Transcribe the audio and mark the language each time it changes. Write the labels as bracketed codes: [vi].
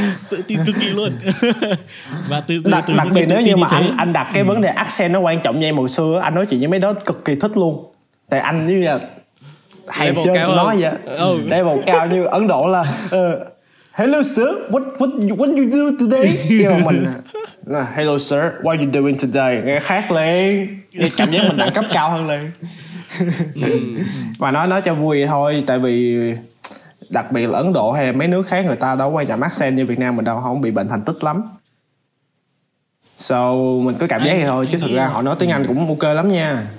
[vi] Tự tin cực kỳ luôn. Và đặc biệt nếu như mà anh đặt cái vấn đề accent nó quan trọng như em hồi xưa, anh nói chuyện với mấy đó cực kỳ thích luôn. Tại anh như là hay chơi tụi nó vậy. Đây một cao như Ấn Độ là [en] hello sir, what you do today? [vi] Mình, [en] hello sir, what are you doing today? [vi] Nghe khác liền, nghe cảm giác mình đẳng cấp cao hơn liền. Mà nói cho vui vậy thôi, tại vì đặc biệt là Ấn Độ hay mấy nước khác người ta đâu quan trọng accent như Việt Nam mình đâu, không bị bệnh thành tích lắm. So mình cứ cảm giác vậy thôi, chứ thực ra họ nói tiếng Anh cũng ok lắm nha.